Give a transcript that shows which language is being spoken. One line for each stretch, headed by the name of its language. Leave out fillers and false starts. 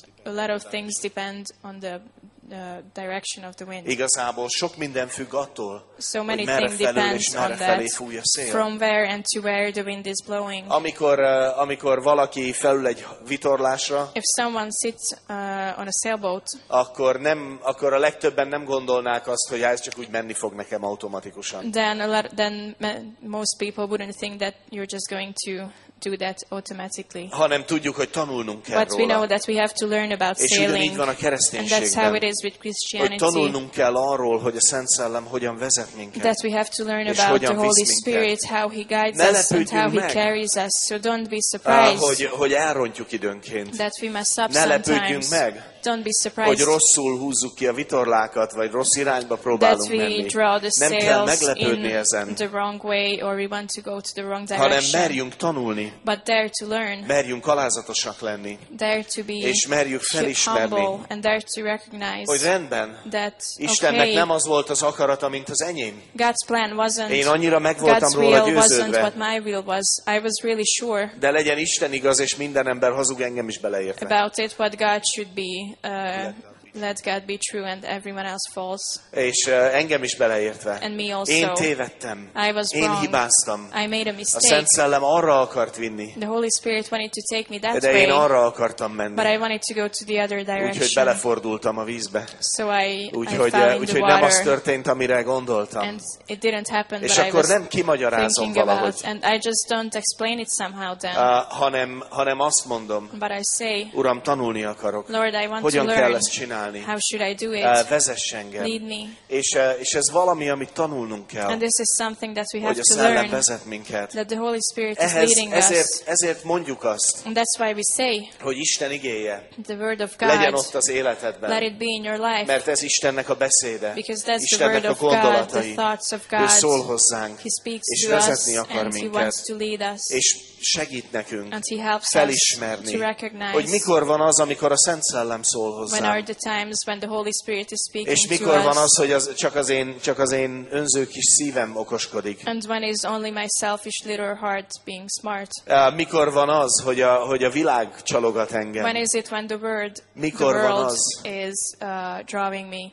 English: a lot of things depend on the direction of the wind.
Hungarian: Igazából sok minden függ attól,
English: so many things depend on that, from where and to where the wind is blowing.
Hungarian: Amikor valaki felül egy vitorlásra,
English: if someone sits on a sailboat,
Hungarian: akkor a legtöbben nem gondolnák azt, hogy ez csak úgy menni fog nekem automatikusan.
English: Then most people wouldn't think that you're just going to do that automatically.
Hungarian: Hanem tudjuk, hogy tanulnunk kell.
English: But we know that we have to learn about sailing. And that's how it is with Christianity.
Hungarian: Hogy tanulnunk kell arról, hogy a Szent Szellem hogyan vezet minket.
English: That we have to learn about the Holy Spirit, how he guides us and how he carries us. So don't be surprised.
Hungarian: Hogy elrontjuk időnként.
English: That we mess up sometimes.
Hungarian: Ne lepődjünk meg.
English: Don't be surprised.
Hungarian: Hogy rosszul húzzuk ki a vitorlákat, vagy rossz irányba próbálunk menni. Nem kell meglepődni ezen.
English: The wrong way, or we want to go to the wrong direction.
Hungarian: Hanem merjünk tanulni.
English: But dare to learn.
Hungarian: Merjünk alázatosak lenni.
English: Dare to be.
Hungarian: És merjük felismerni.
English: And dare to recognize.
Hungarian: Hogy rendben.
English: That
Hungarian: Istennek
English: okay,
Hungarian: nem az volt az akarata, mint az enyém.
English: God's plan wasn't.
Hungarian: Én annyira megvoltam róla győződve.
English: God's will wasn't what my will was. I was really sure.
Hungarian: De legyen Isten igaz, és minden ember hazug, engem is beleértve.
English: About it, what God should be. Let God be true and everyone else false.
Hungarian: És engem is beleértve.
English: And me also.
Hungarian: Én tévedtem.
English: I was wrong.
Hungarian: Én hibáztam.
English: I made a mistake.
Hungarian: A Szent Szellem arra akart vinni.
English: The Holy Spirit wanted to take me that way.
Hungarian: De én arra akartam menni.
English: But I wanted to go to the other direction.
Hungarian: Úgyhogy belefordultam a vízbe.
English: So I fell in the water.
Hungarian: Úgyhogy nem az történt, amire gondoltam.
English: And it didn't happen.
Hungarian: És akkor nem kimagyarázom valahogy.
English: And I just don't explain it somehow then.
Hungarian: Hanem azt mondom.
English: But I say.
Hungarian: Uram, tanulni akarok.
English: Lord, I want
Hungarian: hogyan
English: to learn.
Hungarian: Kell ezt csinálni?
English: How should I do it?
Hungarian: Vezess engem.
English: Lead me.
Hungarian: És ez valami, amit tanulnunk kell.
English: And this is something that we have to learn.
Hungarian: Hogy a Szellem vezet minket.
English: That the Holy Spirit
Hungarian: ehhez,
English: is leading
Hungarian: ezért,
English: us.
Hungarian: Ezért mondjuk azt.
English: And that's why we say.
Hungarian: Hogy Isten igéje.
English: The word of God.
Hungarian: Legyen ott az életedben.
English: Let it be in your life.
Hungarian: Mert ez Istennek a beszéde.
English: Because that's
Hungarian: Istennek
English: the word of God. The thoughts of God.
Hungarian: Ő szól hozzánk.
English: He speaks
Hungarian: és
English: to us.
Hungarian: És vezetni akar
English: and
Hungarian: minket.
English: He wants to lead us.
Hungarian: És segít nekünk.
English: And he helps
Hungarian: felismerni.
English: Us to recognize.
Hungarian: Hogy mikor van az, amikor a Szent Szellem szól hozzánk.
English: When are the times when the Holy Spirit is speaking to us.
Hungarian: És mikor van az, hogy az csak az én önző kis szívem okoskodik.
English: And when is only my selfish little heart being smart.
Hungarian: Mikor van az, hogy a világ csalogat engem.
English: When is it when the world is drawing me.